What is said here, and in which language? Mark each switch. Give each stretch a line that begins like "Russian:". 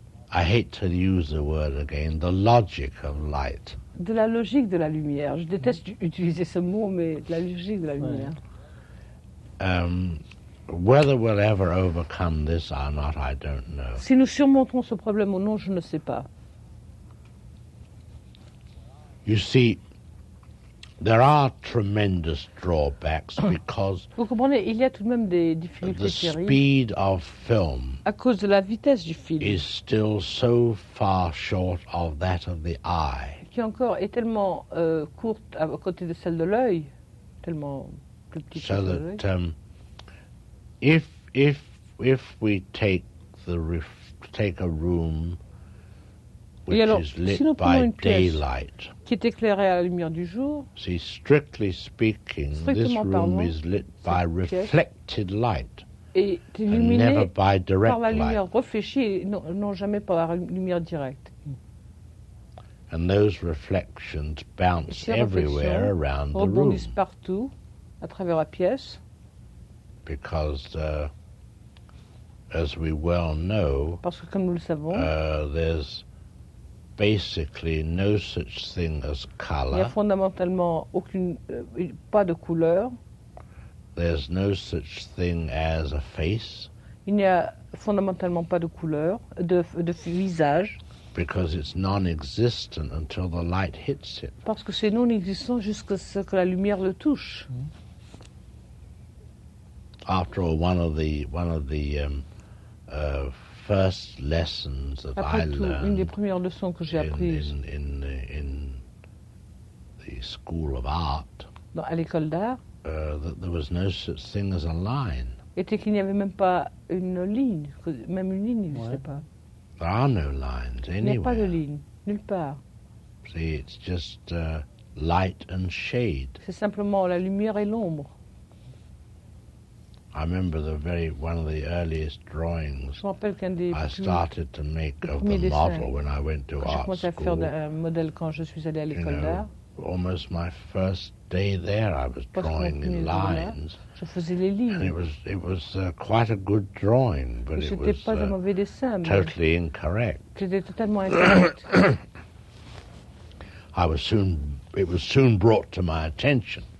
English: I hate to use the word again, the logic of light.
French: De la logique de la lumière. Je déteste utiliser ce mot, mais de la logique de la lumière.
English: Whether we'll ever overcome this or not, I don't know.
French: Si nous surmontons ce problème ou non, je ne sais pas.
English: You see, there are tremendous drawbacks because
French: vous comprenez, il y a tout de même des difficultés
English: terribles. The speed of film
French: à cause de la vitesse du film
English: is still so far short of that of the eye.
French: Qui encore est tellement courte à côté de celle de l'œil, tellement plus petite.
English: So that if we take a room which
French: alors,
English: is lit
French: si nous prenons
English: by
French: une pièce
English: daylight,
French: qui est éclairée à la lumière du jour.
English: See, strictly speaking,
French: strictement
English: this room
French: parlant,
English: is lit by reflected light,
French: est illuminée
English: and never by direct
French: par la lumière
English: light.
French: Réfléchie, non jamais par la lumière directe.
English: And those reflections bounce everywhere around the room.
French: Rebondissent partout, à travers la pièce.
English: Because as we well know,
French: parce que comme nous le savons,
English: there's basically no such thing as color.
French: Il y a fondamentalement aucune pas de couleur.
English: There's no such thing as a face.
French: Il n'y a fondamentalement pas de couleur de visage.
English: Because it's non-existent until the light hits it.
French: Parce que c'est non existant jusqu'à ce que la lumière le touche.
English: After all, one of the first lessons that
French: après
English: I
French: tout,
English: learned
French: une des premières leçons que j'ai apprises
English: in the school of art,
French: non, à l'école d'art,
English: that there was no such thing as a line.
French: Était qu'il n'y avait même pas une ligne, même une ligne, n'existait ouais. pas.
English: There are no lines anywhere.
French: Il n'y a pas de ligne, nulle part.
English: See, it's just light and shade.
French: C'est simplement la lumière et l'ombre.
English: I remember one of the earliest drawings I started to make of the model when I went to art school.
French: Je commençais à faire un modèle quand je suis allé à l'école d'art.
English: Almost my first day there, I was drawing in lines.
French: Je faisais les lignes.
English: And it was quite a good drawing, but it was totally incorrect.
French: C'était totalement incorrect.
English: It was soon brought to my attention.